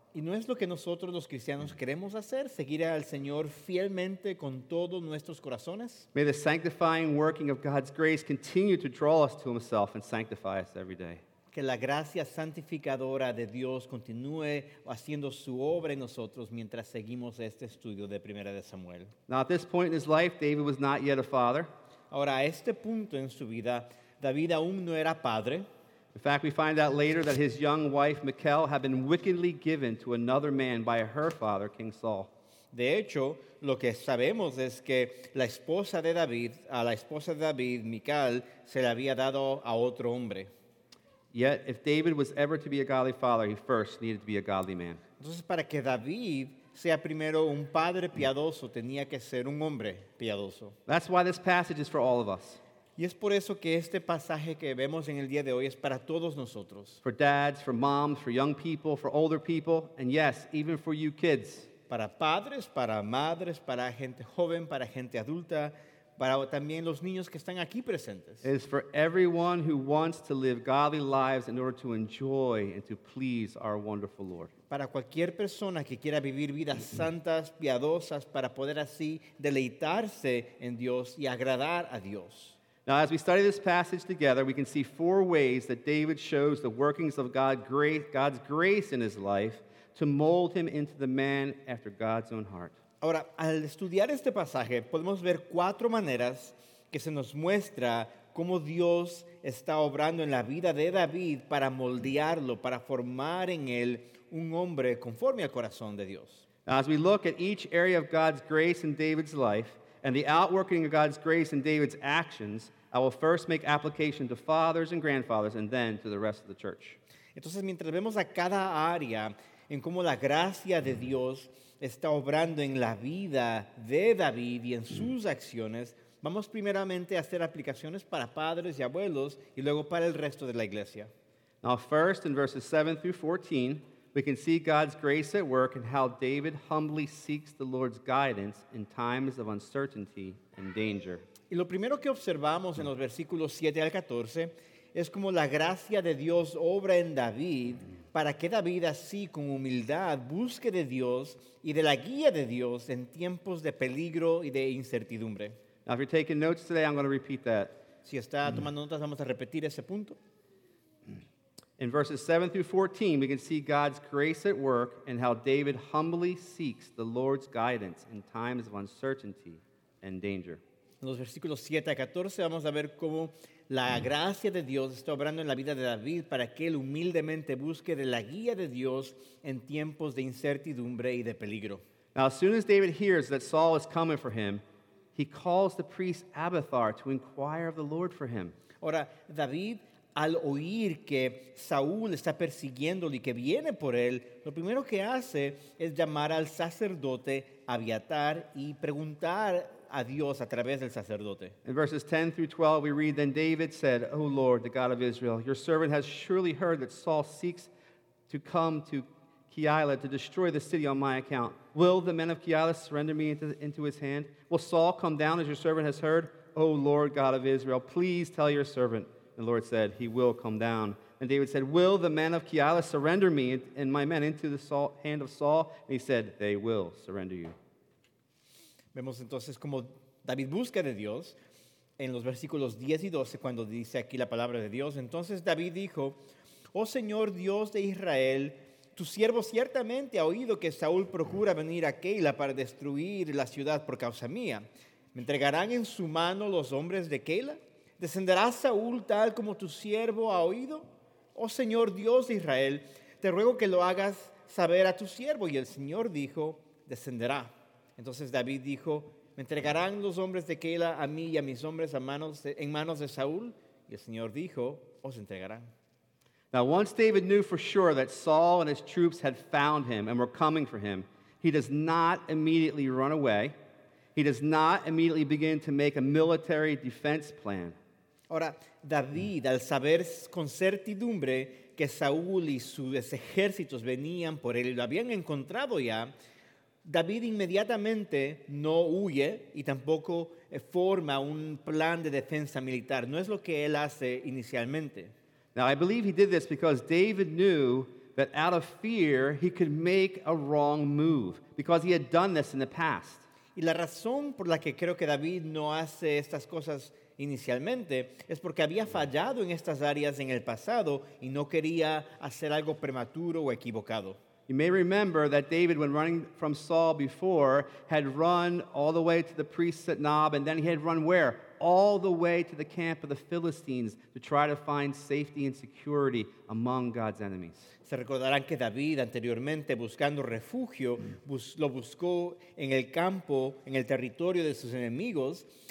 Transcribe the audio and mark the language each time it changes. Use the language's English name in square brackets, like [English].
[Spanish] Y no es lo que nosotros los cristianos queremos hacer, seguir al Señor fielmente con todos nuestros corazones. [English] May the sanctifying working of God's grace continue to draw us to himself and sanctify us every day. [Spanish] Que la gracia santificadora de Dios continúe haciendo su obra en nosotros mientras seguimos este estudio de Primera de Samuel. [English] Now at this point in his life, David was not yet a father. [Spanish] Ahora a este punto en su vida, David aún no era padre. [English] In fact, we find out later that his young wife, Michal, had been wickedly given to another man by her father, King Saul. [Spanish] De hecho, lo que sabemos es que la esposa de David, a la esposa de David, Michal, se le había dado a otro hombre. [English] Yet, if David was ever to be a godly father, he first needed to be a godly man. [Spanish] Entonces, para que David sea primero un padre piadoso, tenía que ser un hombre piadoso. [English] That's why this passage is for all of us. [Spanish] Y es por eso que este pasaje que vemos en el día de hoy es para todos nosotros. [English] For dads, for moms, for young people, for older people, and yes, even for you kids. [Spanish] Para padres, para madres, para gente joven, para gente adulta, para también los niños que están aquí presentes. [English] It is for everyone who wants to live godly lives in order to enjoy and to please our wonderful Lord. [Spanish] Para cualquier persona que quiera vivir vidas santas, piadosas, para poder así deleitarse en Dios y agradar a Dios. [English] Now, as we study this passage together, we can see four ways that David shows the workings of God's grace in his life to mold him into the man after God's own heart. [Spanish] Ahora, al estudiar este pasaje, podemos ver cuatro maneras que se nos muestra cómo Dios está obrando en la vida de David para moldearlo, para formar en él un hombre conforme al corazón de Dios. [English] Now, as we look at each area of God's grace in David's life, and the outworking of God's grace in David's actions, I will first make application to fathers and grandfathers and then to the rest of the church. [Spanish] Entonces, mientras vemos a cada área en cómo la gracia de Dios está obrando en la vida de David y en sus acciones, vamos primeramente a hacer aplicaciones para padres y abuelos y luego para el resto de la iglesia. [English] Now, first, in verses 7 through 14, we can see God's grace at work and how David humbly seeks the Lord's guidance in times of uncertainty and danger. [Spanish] Y lo primero que observamos en los versículos 7 al 14 es como la gracia de Dios obra en David para que David así con humildad busque de Dios y de la guía de Dios en tiempos de peligro y de incertidumbre. [English] Now, if you're taking notes today, I'm going to repeat that. [Spanish] Si está tomando notas, vamos a repetir ese punto. [English] In verses 7 through 14, we can see God's grace at work and how David humbly seeks the Lord's guidance in times of uncertainty and danger. [Spanish] En los versículos 7 a 14 vamos a ver cómo la gracia de Dios está obrando en la vida de David para que él humildemente busque de la guía de Dios en tiempos de incertidumbre y de peligro. [English] Now, as soon as David hears that Saul is coming for him, he calls the priest Abiathar to inquire of the Lord for him. [Spanish] Ahora, David al oír que Saúl está persiguiéndolo y que viene por él, lo primero que hace es llamar al sacerdote Abiatar y preguntar a Dios a través del sacerdote. [English] In verses 10 through 12 we read, "Then David said, 'O Lord, the God of Israel, your servant has surely heard that Saul seeks to come to Keilah to destroy the city on my account. Will the men of Keilah surrender me into his hand? Will Saul come down as your servant has heard? O Lord God of Israel, please tell your servant.' And the Lord said, 'He will come down.' And David said, 'Will the men of Keilah surrender me and my men into the hand of Saul?' And he said, 'They will surrender you.'" [Spanish] Vemos entonces como David busca de Dios en los versículos 10 y 12 cuando dice aquí la palabra de Dios. Entonces David dijo, "Oh Señor Dios de Israel, tu siervo ciertamente ha oído que Saúl procura venir a Keilah para destruir la ciudad por causa mía. ¿Me entregarán en su mano los hombres de Keilah? ¿Descenderá Saúl tal como tu siervo ha oído? Oh Señor Dios de Israel, te ruego que lo hagas saber a tu siervo." Y el Señor dijo, "Descenderá." Entonces David dijo, "¿Me entregarán los hombres de Keilah a mí y a mis hombres en manos de Saúl?" Y el Señor dijo, "Os entregarán." [English] Now, once David knew for sure that Saul and his troops had found him and were coming for him, he does not immediately run away. He does not immediately begin to make a military defense plan. [Spanish] Ahora, David, al saber con certidumbre que Saúl y sus ejércitos venían por él y lo habían encontrado ya, David inmediatamente no huye y tampoco forma un plan de defensa militar. No es lo que él hace inicialmente. [English] Now, I believe he did this because David knew that out of fear, he could make a wrong move because he had done this in the past. [Spanish] Y la razón por la que creo que David no hace estas cosas inicialmente es porque había fallado en estas áreas en el pasado y no quería hacer algo prematuro o equivocado. [English] You may remember that David, when running from Saul before, had run all the way to the priests at Nob, and then he had run where? All the way to the camp of the Philistines to try to find safety and security among God's enemies. [Spanish] Se recordarán que David anteriormente buscando refugio lo buscó en el campo, en el territorio de sus enemigos.